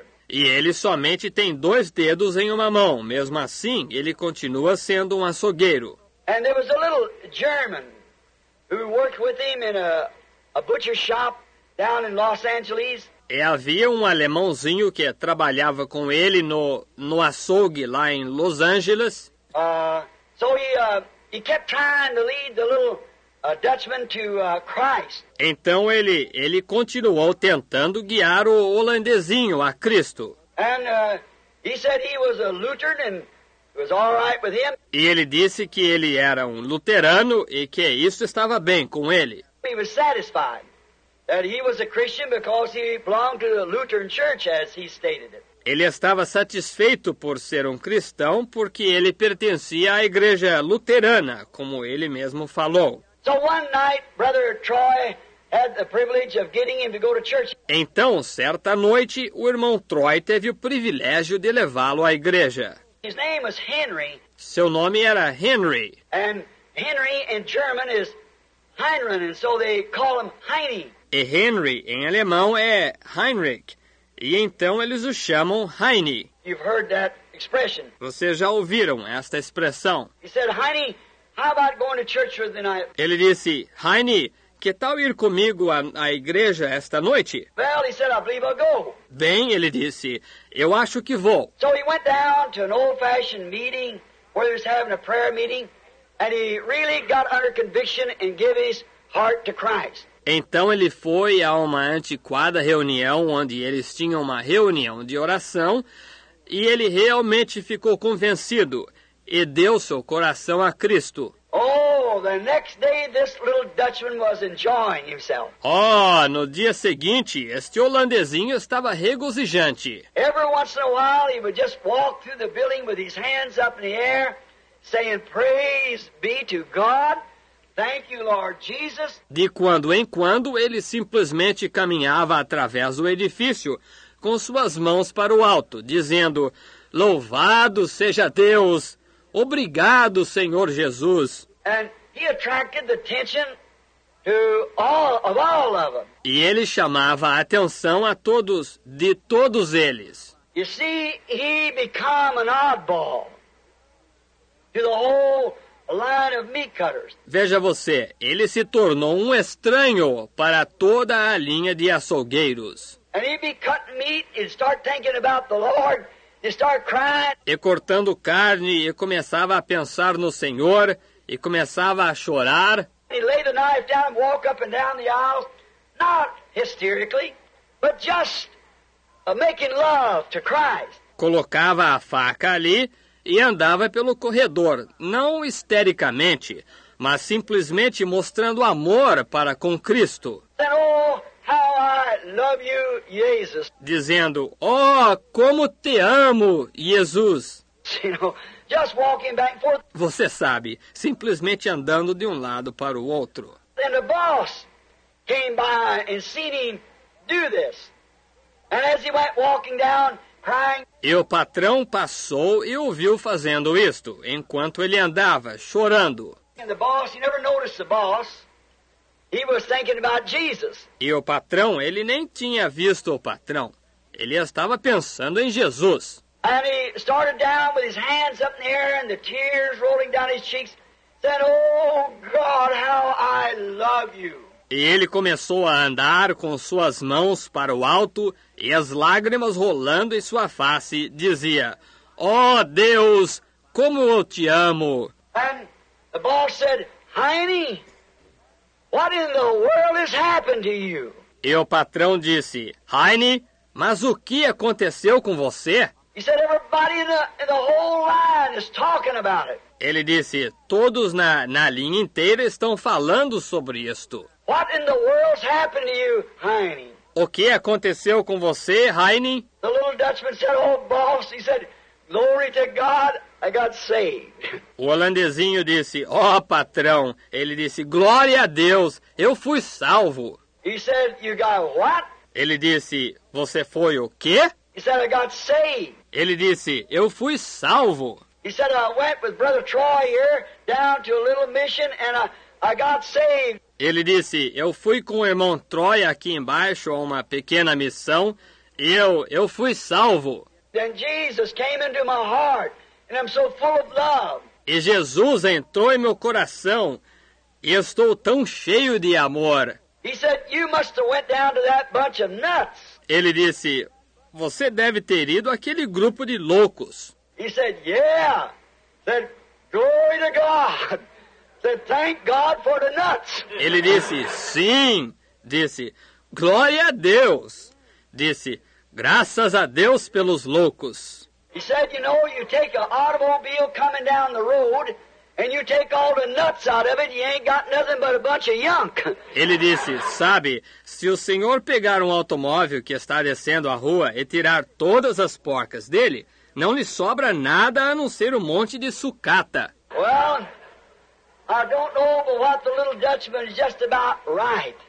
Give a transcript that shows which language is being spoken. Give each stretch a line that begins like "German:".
Portuguese: E ele somente tem dois dedos em uma mão, mesmo assim, ele continua sendo um açougueiro. E havia um pequeno
English: German
Portuguese: que trabalhou com ele em a
English: butcher shop down in
Portuguese: Los Angeles. E havia um alemãozinho que trabalhava com ele no açougue lá em Los Angeles.
English: So he kept trying to lead the little Dutchman to Christ.
Portuguese: Então ele continuou tentando guiar o holandesinho a Cristo.
English: And he said he was a Lutheran and it was all right with him.
Portuguese: E ele disse que ele era um luterano e que isso estava bem com ele.
English: He was satisfied that he was a Christian because he belonged to the Lutheran Church, as he stated it.
Portuguese: Ele estava satisfeito por ser um cristão porque ele pertencia à igreja luterana, como ele mesmo falou.
English: So one night, Brother Troy had the privilege of getting him to go to church.
Portuguese: Então, certa noite, o irmão Troy teve o privilégio de levá-lo à igreja.
English: His name was Henry.
Portuguese: Seu nome era Henry.
English: And Henry in German is Heinrich, and so they call him Heini.
Portuguese: E Henry em alemão é Heinrich, e então eles o chamam Heini.
English: You've heard that expression.
Portuguese: Vocês já ouviram esta expressão?
English: He said, Heini, how about going to church for the night?
Portuguese: Ele disse, Heini, que tal ir comigo à igreja esta noite?
English: Well, he said, I believe I'll go.
Portuguese: Bem, ele disse, eu acho que vou.
English: So he went down to an old-fashioned meeting where they were having a prayer meeting, and he really got under conviction and gave his heart to Christ.
Portuguese: Então ele foi a uma antiquada reunião onde eles tinham uma reunião de oração e ele realmente ficou convencido e deu seu coração a Cristo.
English: Oh, the next day this little Dutchman was enjoying himself.
Portuguese: Oh, no dia seguinte, este holandesinho estava regozijante.
English: Every once in a while he would just walk through the building with his hands up in the air, saying, praise be to God. Thank you, Lord Jesus.
Portuguese: De quando em quando, ele simplesmente caminhava através do edifício, com suas mãos para o alto, dizendo, louvado seja Deus! Obrigado, Senhor Jesus!
English: And he attracted the attention to all of them.
Portuguese: E ele chamava a atenção a todos, de todos eles.
English: You see, he became an oddball to the whole a line of meat cutters.
Portuguese: Veja você, ele se tornou um estranho para toda a linha de açougueiros.
English: And he'd be cutting meat and start thinking about the Lord and start crying.
Portuguese: E cortando carne e começava a pensar no Senhor e começava a chorar.
English: He laid the knife down and walk up and down the aisles, not hysterically, but just making love to Christ.
Portuguese: Colocava a faca ali e andava pelo corredor, não histericamente, mas simplesmente mostrando amor para com Cristo.
English: And, oh, how I love you, Jesus.
Portuguese: Dizendo, oh, como te amo, Jesus.
English: You know, just walking back and forth.
Portuguese: Você sabe, simplesmente andando de um lado para o outro.
English: And the boss came by and seen him do this. And as he went walking down,
Portuguese: e o patrão passou e o viu fazendo isto, enquanto ele andava, chorando.
English: And the boss, he never noticed the boss. He was thinking about Jesus.
Portuguese: E o patrão, ele nem tinha visto o patrão. Ele estava pensando em Jesus.
English: And he started down with his hands up in the air and the tears rolling down his cheeks. Said, oh God, how I love you.
Portuguese: E ele começou a andar com suas mãos para o alto e as lágrimas rolando em sua face, dizia, oh Deus, como eu te amo.
English: And the boss said, Heini, what in the world has happened to you?
Portuguese: E o patrão disse, Heini, mas o que aconteceu com você?
English: He said, everybody in the whole line is talking about it.
Portuguese: Ele disse, todos na linha inteira estão falando sobre isto.
English: What in the world's happened to you, Heine?
Portuguese: O que aconteceu com você, Heine?
English: The little Dutchman said, oh, boss, he said, glory to God, I got saved.
Portuguese: O holandesinho disse, oh, patrão, ele disse, glória a Deus, eu fui salvo.
English: He said, you got what?
Portuguese: Ele disse, você foi o quê?
English: He said, I got saved.
Portuguese: Ele disse, eu fui salvo.
English: He said, I went with Brother Troy here down to a little mission and I got saved.
Portuguese: Ele disse, eu fui com o irmão Troy aqui embaixo a uma pequena missão e eu fui salvo.
English: Then Jesus came into my heart and I'm so full of love.
Portuguese: E Jesus entrou em meu coração e estou tão cheio de amor.
English: He said, you must have went down to that bunch of nuts.
Portuguese: Ele disse, você deve ter ido àquele grupo de loucos.
English: He said, yeah. Said, glory to God. Said, thank God for the nuts.
Portuguese: Ele disse, sim. Disse, glória a Deus. Disse, graças a Deus pelos loucos.
English: He said, you know, you take an automobile coming down the road and you take all the nuts out of it, you ain't got nothing but a bunch of yunk.
Portuguese: Ele disse, sabe, se o senhor pegar um automóvel que está descendo a rua e tirar todas as porcas dele, não lhe sobra nada a não ser um monte de sucata.
English: Well, I don't know what the little Dutchman is just about right.